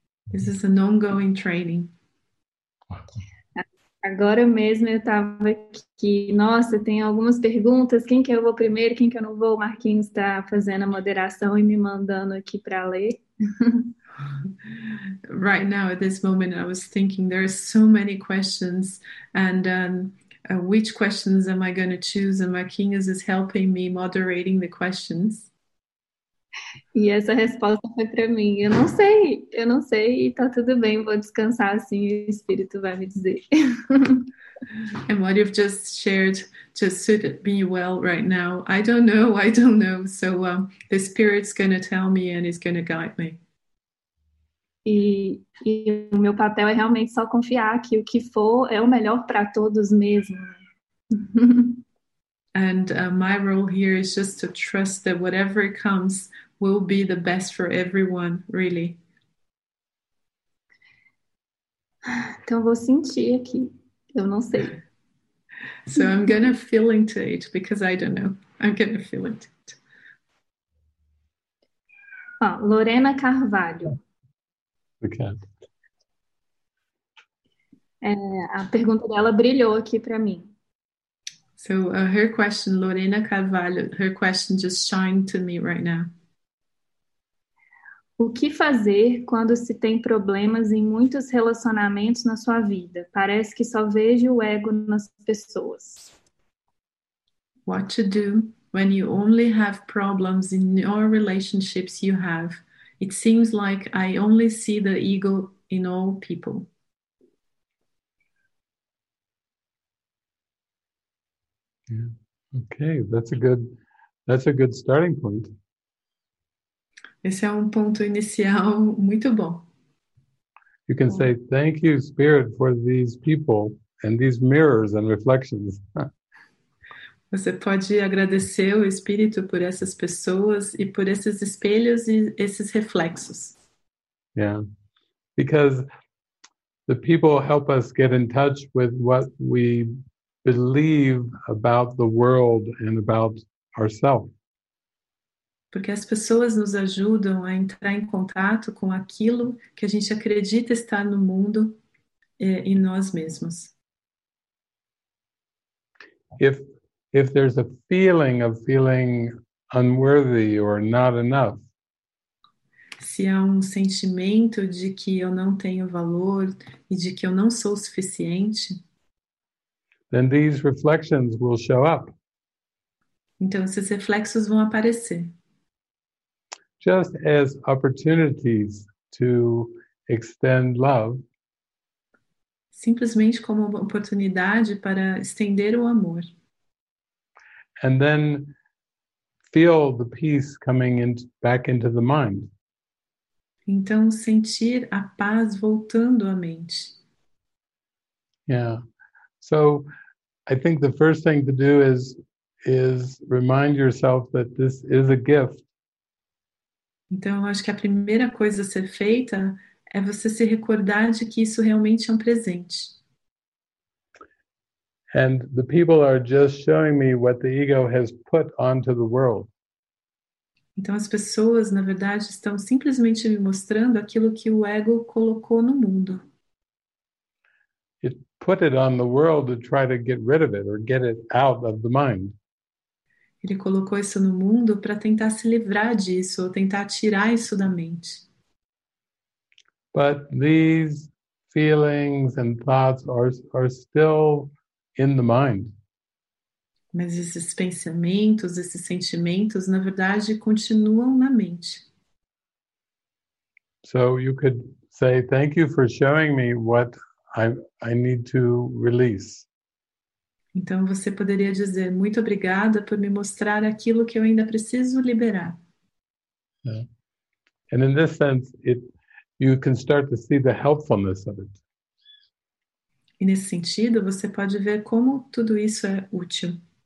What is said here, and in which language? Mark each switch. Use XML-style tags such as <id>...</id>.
<en>This is an ongoing training.</en> <pt>Agora mesmo eu estava aqui, nossa, tem algumas perguntas, quem que eu vou primeiro, quem que eu não vou, o Marquinhos está fazendo a moderação e me mandando aqui para ler.</pt> <en>Right now, at this moment, I was thinking there are so many questions and which questions am I going to choose, and Marquinhos is helping me moderating the questions.</en> <pt>E essa resposta foi para mim. Eu não sei, e tá tudo bem, vou descansar assim, o Espírito vai me dizer.</pt> <en>And what you've just shared just suited me well right now. I don't know, so the Spirit's going to tell me and it's going to guide me.</en> <pt>E o meu papel é realmente só confiar que o que for é o melhor para todos mesmo.</pt> <en>And my role here is just to trust that whatever comes will be the best for everyone, really.</en> <pt>Então vou sentir aqui. Eu não sei.</pt> <en>So I'm going to feel into it because I don't know. I'm going to feel into it.</en> <pt>Ó, Lorena Carvalho.</pt> <en>Okay.</en> <pt>A pergunta dela brilhou aqui para mim.</pt> <en>So her question, Lorena Carvalho, her question just shined to me right now.</en> <pt>O que fazer quando se tem problemas em muitos relacionamentos na sua vida? Parece que só vejo o ego nas pessoas.</pt> <en>What to do when you only have problems in your relationships you have? It seems like I only see the ego in all people. Yeah. Okay, that's a good starting point.</en> <pt>Esse é ponto inicial muito bom.</pt> <en>You can say thank you, Spirit, for these people and these mirrors and reflections.</en> <pt>Você pode agradecer o Espírito por essas pessoas e por esses espelhos e esses reflexos.</pt> <en>Yeah, because the people help us get in touch with what we believe about the world and about ourselves.</en> <pt>Porque as pessoas nos ajudam a entrar em contato com aquilo que a gente acredita estar no mundo e em nós mesmos.</pt> <en>If there's a feeling of feeling unworthy or not enough.</en> <pt>Se há sentimento de que eu não tenho valor e de que eu não sou suficiente.</pt> <en>Then these reflections will show up.</en> <pt>Então esses reflexos vão aparecer.</pt> <en>Just as opportunities to extend love.</en> <pt>Simplesmente como oportunidade para estender o amor.</pt> <en>And then feel the peace coming back into the mind.</en> <pt>Então sentir a paz voltando à mente.</pt> <en>Yeah. So I think the first thing to do is remind yourself that this is a gift.</en> <pt>Então acho que a primeira coisa a ser feita é você se recordar de que isso realmente é presente.</pt> <en>And the people are just showing me what the ego has put onto the world.</en> <pt>Então as pessoas, na verdade, estão simplesmente me mostrando aquilo que o ego colocou no mundo.</pt> <en>It put it on the world to try to get rid of it or get it out of the mind.</en> <pt>Ele colocou isso no mundo para tentar se livrar disso ou tentar tirar isso da mente.</pt> <en>But these feelings and thoughts are still in the mind.</en> <pt>Mas esses pensamentos, esses sentimentos, na verdade, continuam na mente.</pt> <en>So you could say thank you for showing me what I need to release.</en> <pt>Então você poderia dizer muito obrigada por me mostrar aquilo que eu ainda preciso liberar.</pt> <en>Yeah. And in this sense, you can start to see the helpfulness of it.</en> <pt>E nesse sentido, você pode ver como tudo isso é útil.</pt>